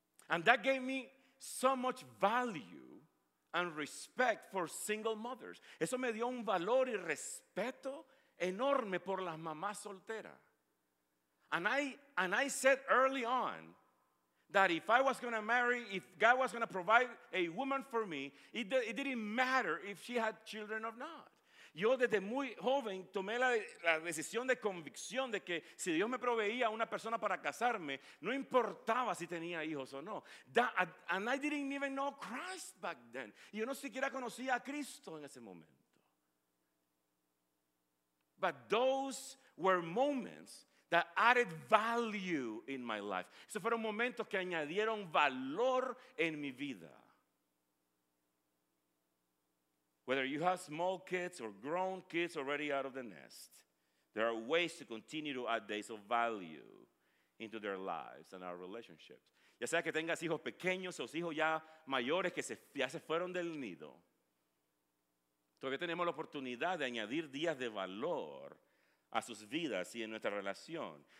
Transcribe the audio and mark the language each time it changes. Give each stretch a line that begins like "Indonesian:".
English: And that gave me so much value and respect for single mothers.
Spanish: Eso me dio un valor y respeto enorme por las mamás solteras.
English: And I said early on that if I was going to marry, if God was going to provide a woman for me, it didn't matter if she had children or not.
Spanish: Yo desde muy joven tomé la decisión de convicción de que si Dios me proveía una persona para casarme, no importaba si tenía hijos o no.
English: And I didn't even know Christ back then.
Spanish: Yo no siquiera conocía a Cristo en ese momento.
English: But those were moments that added value in my life.
Spanish: Esos fueron momentos que añadieron valor en mi vida.
English: Whether you have small kids or grown kids already out of the nest, there are ways to continue to add days of value into their lives and our relationships.
Spanish: Ya sea que tengas hijos pequeños o hijos ya mayores que ya se fueron del nido, todavía tenemos la oportunidad de añadir días de valor a sus vidas y en nuestra relación.